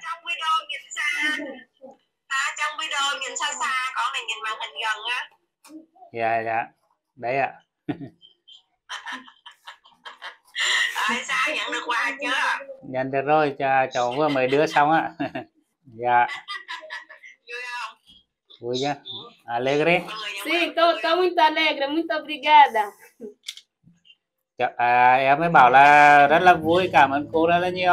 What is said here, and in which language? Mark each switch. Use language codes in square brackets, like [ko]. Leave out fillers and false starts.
[vi] Trong video nhìn xa xa, con này nhìn màn hình gần á. Dạ, đấy ạ. À. ơi, sao nhận được quà chưa? Nhận được rồi, cháu vừa mới đưa xong á. Dạ. Vui không? Vui chứ. Alegre. [pt] Sí, todo muito alegre, muito obrigada. [vi] À, em mới bảo là rất là vui, cảm ơn cô rất là nhiều.